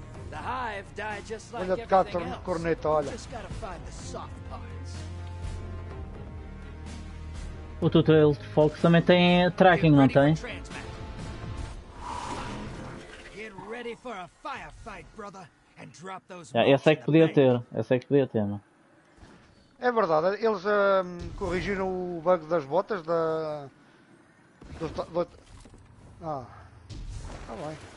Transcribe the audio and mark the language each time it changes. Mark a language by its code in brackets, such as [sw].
[en] The hive died just like everything else. We just gotta find the soft parts. [pt] O tutorial de Fox também tem tracking, não tem? [en] Get ready for a firefight, brother, and drop those. [pt] Yeah, esse é que podia ter. Esse é que podia ter, mano. É verdade. Eles corrigiram o bug das botas da. Ah, vai.